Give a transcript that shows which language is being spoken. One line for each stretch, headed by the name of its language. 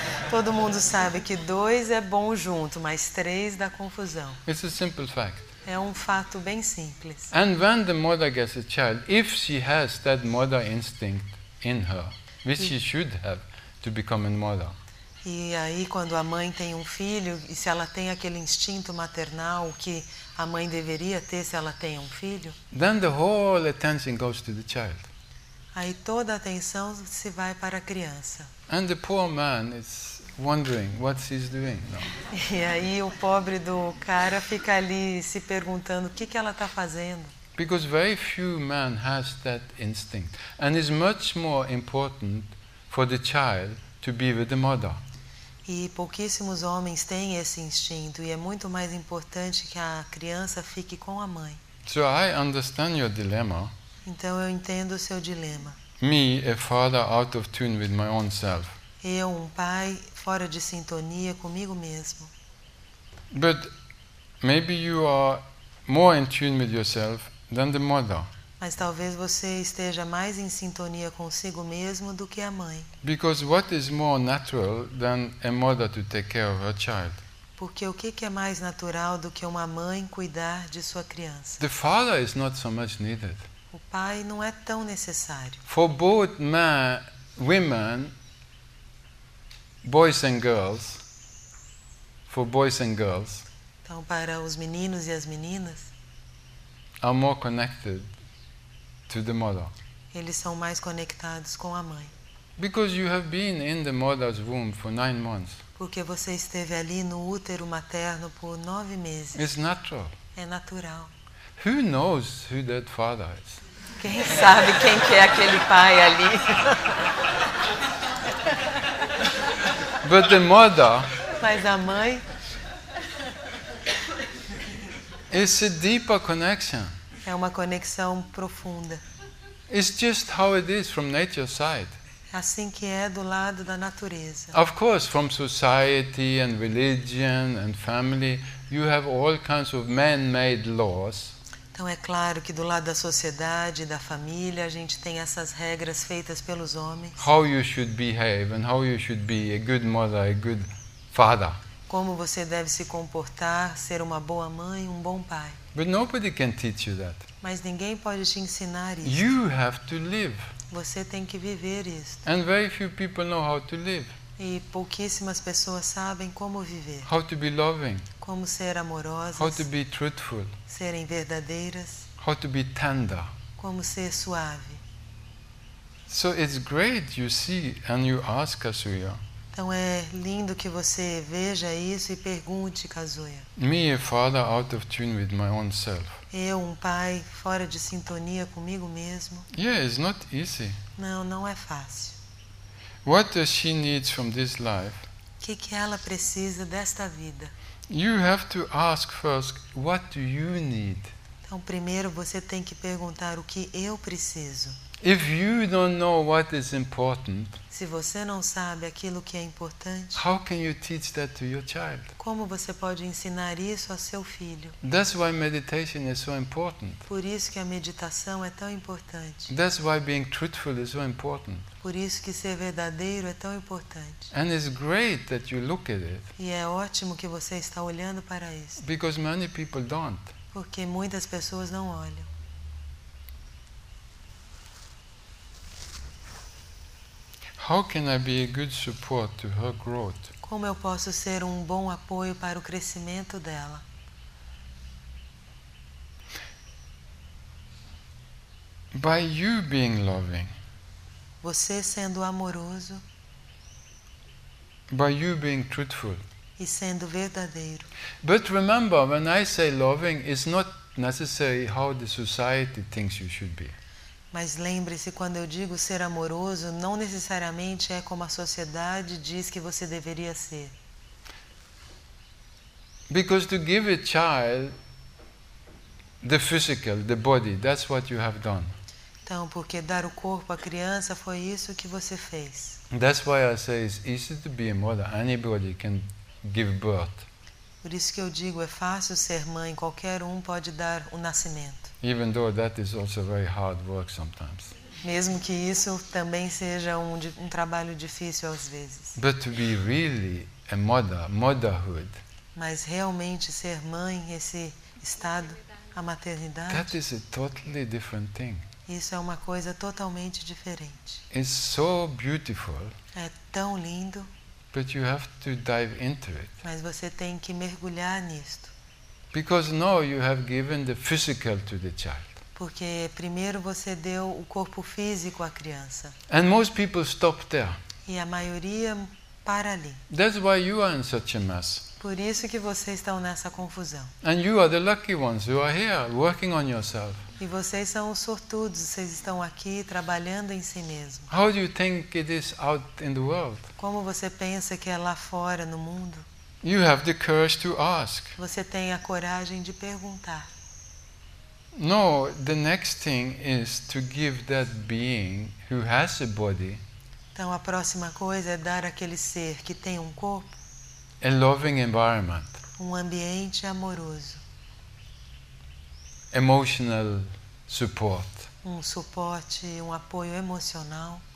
Portuguese: Todo mundo sabe que dois é bom junto, mas três dá confusão.
English: It's a simple fact.
Portuguese: É um fato bem simples.
English: And when the mother gets a child, if she has that mother instinct in her, which she should have to become a mother.
Portuguese: E aí quando a mãe tem um filho, e se ela tem aquele instinto maternal que a mãe deveria ter se ela tem um filho,
English: then the whole attention goes to the child.
Portuguese: Aí toda a atenção se vai para a criança.
English: And the poor man is wondering what she's doing. No.
Portuguese: E aí o pobre do cara fica ali se perguntando o que que ela está fazendo.
English: Because very few men has that instinct, and it's much more important for the child to be with the mother.
Portuguese: E pouquíssimos homens têm esse instinto, e é muito mais importante que a criança fique com a mãe.
English: So I understand your dilemma.
Portuguese: Então eu entendo o seu dilema.
English: Me, a father out of tune with my own self.
Portuguese: Eu, um pai fora de sintonia comigo mesmo.
English: But maybe you are more in tune with yourself than the mother.
Portuguese: Mas talvez você esteja mais em sintonia consigo mesmo do que a mãe.
English: Because what is more natural than a mother to take care of her child?
Portuguese: Porque o que é mais natural do que uma mãe cuidar de sua criança?
English: The father is not so much needed.
Portuguese: O pai não é tão necessário.
English: For both men, women, boys and girls, for boys and girls,
Portuguese: então, para os meninos e as meninas,
English: are more connected to the mother.
Portuguese: Eles são mais conectados com a mãe.
English: Because you have been in the mother's womb for 9 months.
Portuguese: Porque você esteve ali no útero materno por 9 meses.
English: It's natural.
Portuguese: É natural.
English: Who knows who that father is?
Portuguese: Quem sabe quem que é aquele pai ali?
English: But the mother,
Portuguese: mas a mãe,
English: is a deeper connection.
Portuguese: É uma conexão profunda.
English: It's just how it is from nature's side.
Portuguese: Assim que é do lado da natureza.
English: Of course, from society and religion and family, you have all kinds of man-made laws.
Portuguese: Então é claro que do lado da sociedade e da família a gente tem essas regras feitas pelos homens.
English: How you should behave and how you should be a good mother, a good father.
Portuguese: Como você deve se comportar, ser uma boa mãe, um bom pai.
English: But nobody can teach you that.
Portuguese: Mas ninguém pode te ensinar isso.
English: You have to live.
Portuguese: Você tem que viver isso.
English: And very few people know how to live.
Portuguese: E pouquíssimas pessoas sabem como viver.
English: How to be loving.
Portuguese: Como ser amorosas.
English: How to be truthful.
Portuguese: Serem verdadeiras.
English: How to be tender.
Portuguese: Como ser suave.
English: So it's great you see and you ask Kazuya.
Portuguese: Então é lindo que você veja isso e pergunte, Kazuya.
English: Me, a father out of tune with my own self.
Portuguese: Eu, um pai fora de sintonia comigo mesmo.
English: Yeah, it's not easy.
Portuguese: Não, não é fácil.
English: What does she needs from this life?
Portuguese: Que ela precisa desta vida?
English: You have to ask first, what do you need?
Portuguese: Então primeiro você tem que perguntar o que eu preciso.
English: If you don't know what is important,
Portuguese: se você não sabe aquilo que é importante,
English: how can you teach that to your child?
Portuguese: Como você pode ensinar isso a seu filho?
English: That's why meditation is so important.
Portuguese: Por isso que a meditação é tão importante.
English: That's why being truthful is so important.
Portuguese: Por isso que ser verdadeiro é tão importante.
English: And it's great that you look at it.
Portuguese: E é ótimo que você está olhando para isso.
English: Because many people don't.
Portuguese: Porque muitas pessoas não olham.
English: How can I be a good support to her growth?
Portuguese: Como eu posso ser um bom apoio para o crescimento dela?
English: By you being loving.
Portuguese: Você sendo amoroso.
English: By you being truthful.
Portuguese: E sendo verdadeiro.
English: But remember, when I say loving, it's not necessarily how the society thinks you should be.
Portuguese: Mas lembre-se, quando eu digo ser amoroso, não necessariamente é como a sociedade diz que você deveria ser.
English: Because to give a child the physical, the body, that's what you have done.
Portuguese: Então, porque dar o corpo à criança foi isso que você fez.
English: That's why I say it's easy to be a mother. Anybody can give birth.
Portuguese: Por isso que eu digo, é fácil ser mãe, qualquer um pode dar o nascimento.
English: Even though that is also very hard work sometimes.
Portuguese: Mesmo que isso também seja um trabalho difícil às vezes.
English: But to be really a mother, motherhood.
Portuguese: Mas realmente ser mãe, esse estado, a maternidade.
English: That is a totally different thing.
Portuguese: Isso é uma coisa totalmente diferente.
English: It's so beautiful.
Portuguese: É tão lindo.
English: But you have to dive into it.
Portuguese: Mas você tem que mergulhar nisto.
English: Because now you have given the physical to the child.
Portuguese: Porque primeiro você deu o corpo físico à criança.
English: And most people stop there.
Portuguese: E a maioria para ali.
English: That's why you are in such a mess.
Portuguese: Por isso que vocês estão nessa confusão.
English: And you are the lucky ones. You are here working on yourself.
Portuguese: E vocês são os sortudos. Vocês estão aqui trabalhando em si mesmo.
English: How do you think it is out in the world?
Portuguese: Como você pensa que é lá fora no mundo?
English: You have the courage to ask.
Portuguese: Você tem a coragem de perguntar.
English: No, the next thing is to give that being who has a body.
Portuguese: Então a próxima coisa é dar àquele ser que tem um corpo.
English: A loving environment.
Portuguese: Um ambiente amoroso.
English: Emotional support.
Portuguese: Um suporte, um apoio emocional.